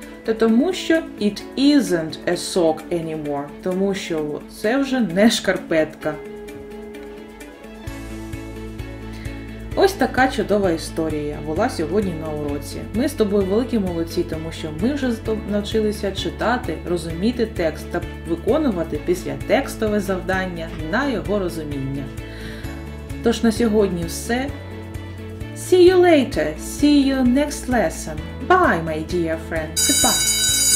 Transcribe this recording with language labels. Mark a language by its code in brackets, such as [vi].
[uk] Та тому що [en] it isn't a sock anymore. [uk] Тому що це вже не шкарпетка. Ось така чудова історія була сьогодні на уроці. Ми з тобою великі молодці, тому що ми вже навчилися читати, розуміти текст та виконувати післятекстове завдання на його розуміння. Тож на сьогодні все. [en] See you later. See you next lesson. Bye, my dear friend. Goodbye.